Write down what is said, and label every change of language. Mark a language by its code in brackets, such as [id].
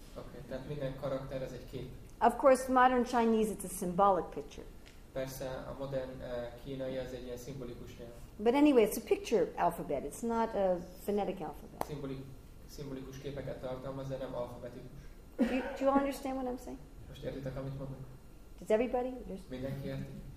[hu] Okay, tehát minden karakter az egy kép. [en] Of course, modern Chinese, it's a symbolic picture. [hu] Persze, a modern kínai az egy ilyen szimbolikus nyelv. [en] But anyway, it's a picture alphabet. It's not a phonetic alphabet. [hu] Szimbolikus képeket tartalmaz, de nem alfabetikus. [en] Do you all understand what I'm saying? [hu] Most értitek, amit mondok? [en] Does everybody? [hu] Mindenki érti?